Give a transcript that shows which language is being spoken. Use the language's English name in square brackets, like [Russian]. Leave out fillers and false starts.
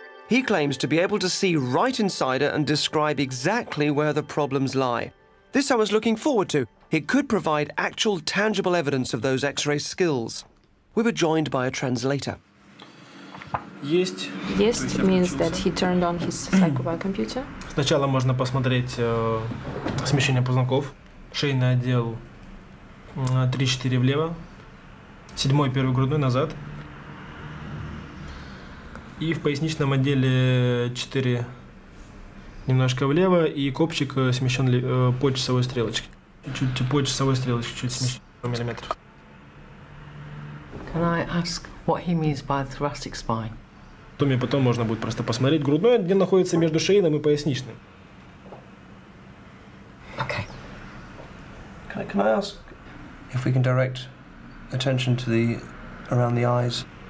[English] He claims to be able to see right inside her and describe exactly where the problems lie. This I was looking forward to. It could provide actual, tangible evidence of those X-ray skills. We were joined by a translator. Yist means that he turned on his psychobio computer. [Russian] Сначала можно посмотреть смещение позвонков, шейный отдел 3-4 влево, седьмой первый грудной назад, и в поясничном отделе 4 немножко влево, и копчик смещен по часовой стрелочке. Чуть-чуть по часовой стрелочке, чуть смещен миллиметр. [English] Can I ask what he means by thoracic spine? [Russian] И потом можно будет просто посмотреть грудной, где находится между шейным и поясничным. [English] Okay. Can I ask if we can direct attention to the around the eyes?